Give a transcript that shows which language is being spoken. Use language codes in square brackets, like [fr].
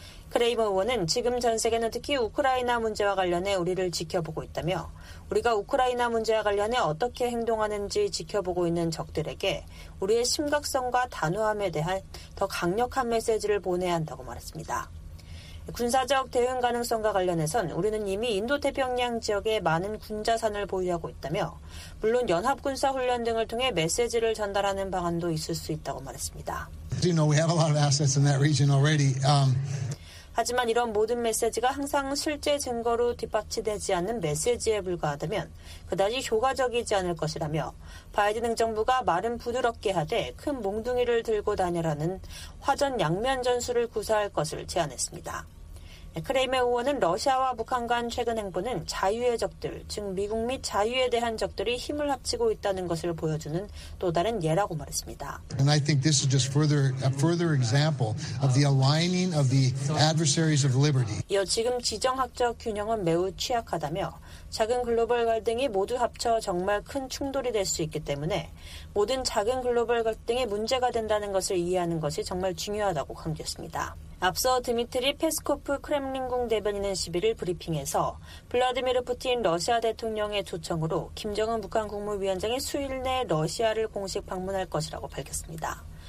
[ko] 크레이머 의원은 지금 전 세계는 특히 우크라이나 문제와 관련해 우리를 지켜보고 있다며 우리가 우크라이나 문제와 관련해 어떻게 행동하는지 지켜보고 있는 적들에게 우리의 심각성과 단호함에 대한 더 강력한 메시지를 보내야 한다고 말했습니다. 군사적 대응 가능성과 관련해선 우리는 이미 인도태평양 지역에 많은 군자산을 보유하고 있다며 물론 연합군사훈련 등을 통해 메시지를 전달하는 방안도 있을 수 있다고 말했습니다. [en] You know, we have a lot of assets in that region already. [ko] 하지만 이런 모든 메시지가 항상 실제 증거로 뒷받침되지 않는 메시지에 불과하다면 그다지 효과적이지 않을 것이라며 바이든 행정부가 말은 부드럽게 하되 큰 몽둥이를 들고 다녀라는 화전 양면 전술을 구사할 것을 제안했습니다. 크레임의 의원은 러시아와 북한 간 최근 행보는 자유의 적들, 즉 미국 및 자유에 대한 적들이 힘을 합치고 있다는 것을 보여주는 또 다른 예라고 말했습니다. [en] And I think this is just a further example of the aligning of the adversaries of liberty. [ko] 이어 지금 지정학적 균형은 매우 취약하다며 작은 글로벌 갈등이 모두 합쳐 정말 큰 충돌이 될 수 있기 때문에 모든 작은 글로벌 갈등이 문제가 된다는 것을 이해하는 것이 정말 중요하다고 강조했습니다. 앞서 드미트리 페스코프 크렘린궁 대변인은 11일 브리핑에서 블라디미르 푸틴 러시아 대통령의 초청으로 김정은 북한 국무위원장이 수일 내 러시아를 공식 방문할 것이라고 밝혔습니다.